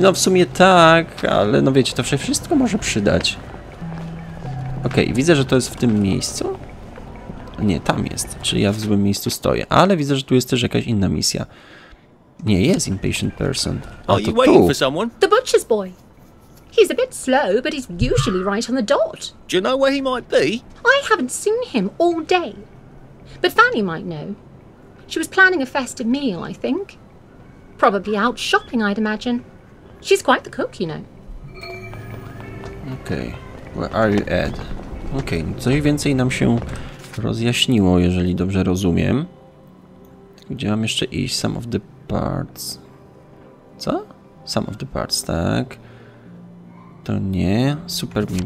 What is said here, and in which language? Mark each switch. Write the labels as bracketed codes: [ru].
[pl] No w sumie tak, ale no wiecie, to się wszystko może przydać. Okej, okay, widzę, że to jest w tym miejscu. Nie, tam jest, czyli ja w złym miejscu stoję, ale widzę, że tu jest też jakaś inna misja. Nie jest impatient person. A to tu. [en] The butcher's boy. He's a bit slow, but he's usually right on the dot. Do you know where he might be? I haven't seen him all day. But Fanny might know. She was planning a festive meal, I think. Probably out shopping, I'd imagine. She's quite the cook, you know. Okay. Where are you, Ed? [pl] Okay, coś więcej nam się rozjaśniło, jeżeli dobrze rozumiem. Gdzie mam jeszcze iść? [en] Some of the parts. [pl] Co? [en] Some of the parts, [pl] tak. To nie. Super.